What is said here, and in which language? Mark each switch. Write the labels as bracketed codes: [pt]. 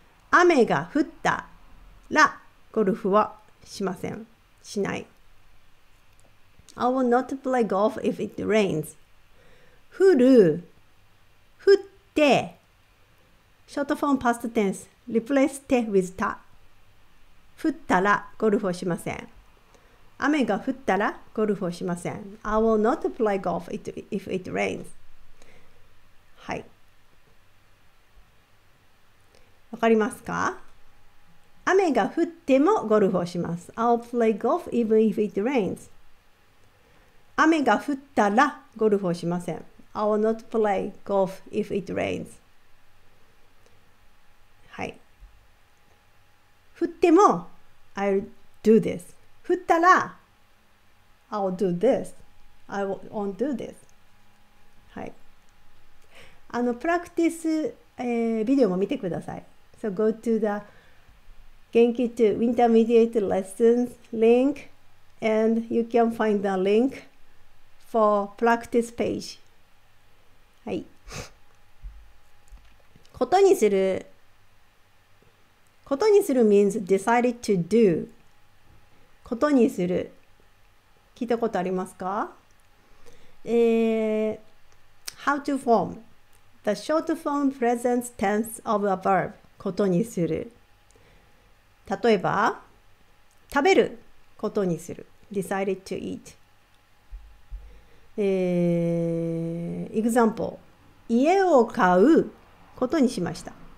[ja] 雨が降ったら、ゴルフはしません。しない。 [en] I will not play golf if it rains. 降る、降って。Short form past tense, replace て with た。 [ja] 降ったらゴルフをしません。雨が降ったらゴルフをしません。 [en] I will not play golf if it rains. [ja] はい。わかりますか？雨が降ってもゴルフをします。 [en] I'll play golf even if it rains. [ja] 雨が降ったらゴルフをしません。 [en] I will not play golf if it rains. [ja] はい。降っても [en] I'll do this. 降ったら I'll do this. I won't do this. はい。 [ja] あのプラクティス、ビデオも見てください。 [en] So go to the Genki to Intermediate Lessons link and you can find the link for practice page. はい。ことにする。ことにする means decided to do. ことにする。 [ja] 聞いたことありますか？ [en] How to form. The short form present tense of a verb. [ja] ことにする。例えば、食べることにする。 [en] Decided to eat. Example. [ja] 家を買うことにしました。